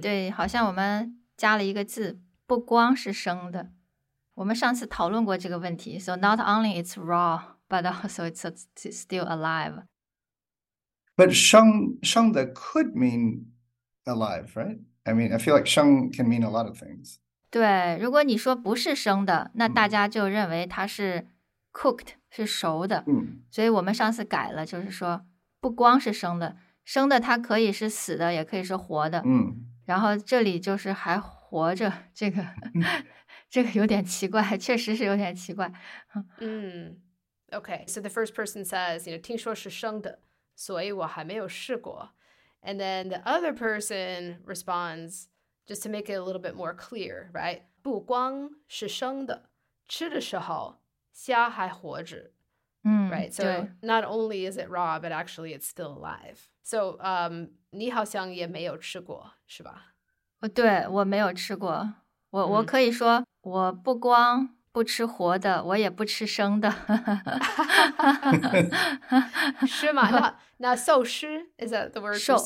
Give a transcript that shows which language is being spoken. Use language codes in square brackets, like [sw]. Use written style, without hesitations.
[zh] 对,好像我们加了一个字。不光是生的，我们上次讨论过这个问题。 [en] So not only it's raw, but also it's still alive. But 生的 could mean alive, right? I mean, I feel like 生 can mean a lot of things. [zh] 对，如果你说不是生的，那大家就认为它是 cooked, 是熟的。嗯，所以我们上次改了，就是说不光是生的，生的它可以是死的，也可以是活的。嗯，然后这里就是还。活着这个有点奇怪，确实是有点奇怪。 [en] Okay, so the first person says, you know, [zh] 听说是生的，所以我还没有试过。 [en] And then the other person responds, just to make it a little bit more clear, right? [zh] 不光是生的，吃的时候虾还活着。 [en] Right, so not only is it raw, but actually it's still alive. [zh] So, 你好像也没有吃过，是吧？对，我没有吃过。我可以说，我不光不吃活的，我也不吃生的。是吗？那寿司 [en] is that the word?